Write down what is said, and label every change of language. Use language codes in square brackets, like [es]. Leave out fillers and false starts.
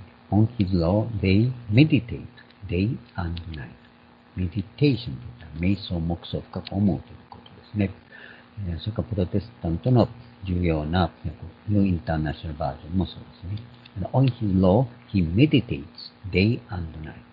[en] On his law, they meditate day and night. [ja] Meditation というのは、瞑想、黙想を深く思うということですね。それからプロテスタントの重要なニューインターナショナルバージョンもそうですね。 [en] On his law, he meditates day and night.